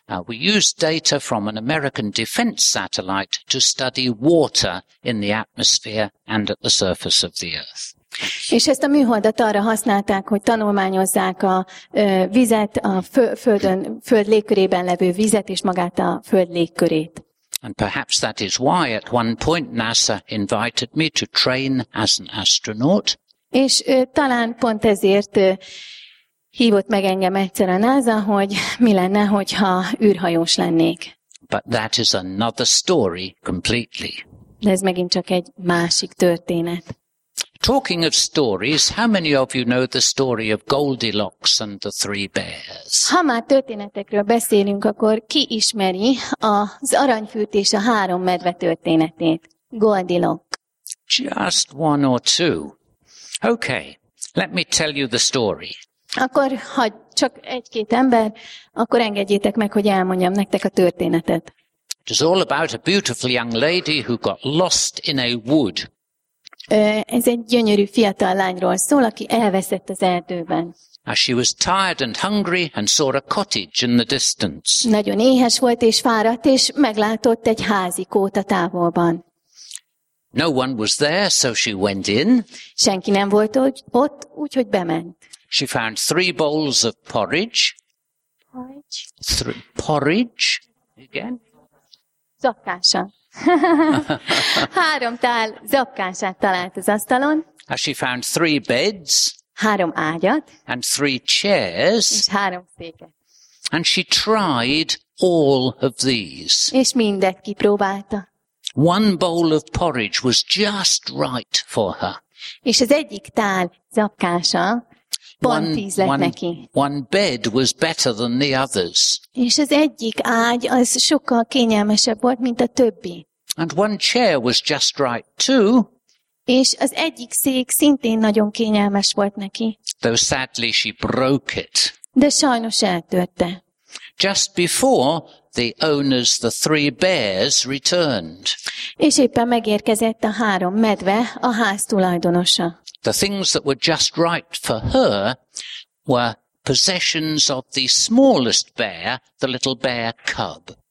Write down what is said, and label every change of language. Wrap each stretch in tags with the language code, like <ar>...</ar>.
<en>We used data from an American defense satellite to study water in the atmosphere and at the surface of the Earth.</en> <hu>És ezt a műholdat arra használták, hogy tanulmányozzák a vizet, a földön, föld légkörében levő vizet és magát a föld légkörét.</hu> <en>And perhaps that is why at one point NASA invited me to train as an astronaut.</en> <hu>És talán pont ezért hívott meg engem egyszer a NASA, hogy mi lenne, hogyha űrhajós lennék.</hu> <en>But that is another story completely.</en> <hu>De ez megint csak egy másik történet.</hu> <en>Talking of stories, how many of you know the story of Goldilocks and the Three Bears?</en> <hu>Ha már történetekről beszélünk, akkor ki ismeri az aranyfürt és a három medve történetét?</hu> <en>Goldilocks. Just one or two. Okay, let me tell you the story.</en> <hu>Akkor ha csak egy-két ember, akkor engedjétek meg, hogy elmondjam nektek a történetet.</hu> <en>It is all about a beautiful young lady who got lost in a wood.</en> <hu>Ez egy gyönyörű fiatal lányról szól, aki elveszett az erdőben.</hu> <en>As she was tired and hungry and saw a cottage in the distance.</en> <hu>Nagyon éhes volt és fáradt, és meglátott egy házikót a távolban.</hu> <en>No one was there, so she went in.</en> <hu>Senki nem volt ott, úgyhogy bement.</hu> <en>She found three bowls of porridge. Porridge. Three, porridge. Again.</en> <hu>Zakkásan. Három tál zakkását talált az asztalon.</hu> <en>And she found three beds.</en> <hu>Három ágyat.</hu> <en>And three chairs.</en> <hu>És három széket.</hu> <en>And she tried all of these.</en> <hu>És mindet kipróbálta.</hu> <en>One bowl of porridge was just right for her.</en> <hu>És az egyik tál zakkása pont íz lett neki.</hu> <en>One bed was better than the others.</en> <hu>És az egyik ágy az sokkal kényelmesebb volt, mint a többi.</hu> <en>And one chair was just right too.</en> <hu>És az egyik szék szintén nagyon kényelmes volt neki.</hu> <en>Though sadly she broke it.</en> <hu>De sajnos eltörte.</hu> <en>Just before the owners, the three bears, returned.</en> <hu>És éppen megérkezett a három medve, a ház tulajdonosa.</hu> <en>The things that were just right for her were possessions of the smallest bear, the little bear cub.</en>